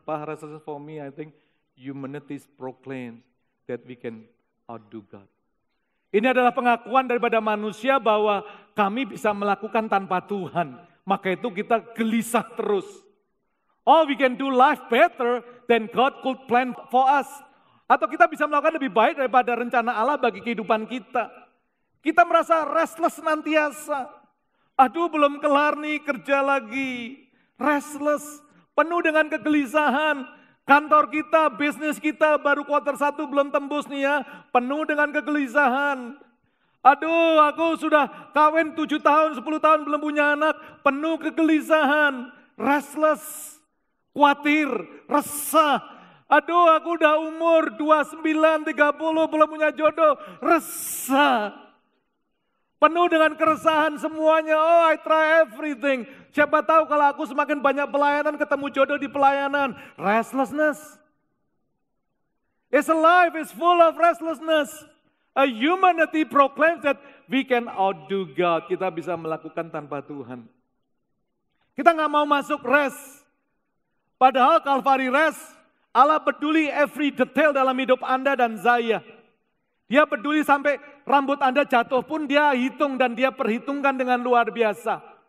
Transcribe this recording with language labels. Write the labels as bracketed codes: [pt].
[en] Pak, restlessness for me, I think humanity proclaims that we can outdo God. [id] Ini adalah pengakuan daripada manusia bahwa kami bisa melakukan tanpa Tuhan. Maka itu kita gelisah terus. [en] Oh, we can do life better than God could plan for us. [id] Atau kita bisa melakukan lebih baik daripada rencana Allah bagi kehidupan kita. Kita merasa restless senantiasa. Aduh, belum kelar nih kerja lagi. Restless, penuh dengan kegelisahan. Kantor kita, bisnis kita baru kuarter 1 belum tembus nih ya. Penuh dengan kegelisahan. Aduh, aku sudah kawin 7 tahun, 10 tahun belum punya anak. Penuh kegelisahan. Restless, khawatir, resah. Aduh, aku udah umur 29, 30 belum punya jodoh. Resah. Penuh dengan keresahan semuanya. [en] Oh, I try everything. [id] Siapa tahu kalau aku semakin banyak pelayanan, ketemu jodoh di pelayanan. Restlessness. [en] It's a life, it's full of restlessness. A humanity proclaims that we can outdo God. [id] Kita bisa melakukan tanpa Tuhan. Kita gak mau masuk rest. Padahal Calvary rest, Allah peduli [en] every detail [id] dalam hidup Anda dan saya. Dia peduli sampai rambut Anda jatuh pun dia hitung dan dia perhitungkan dengan luar biasa.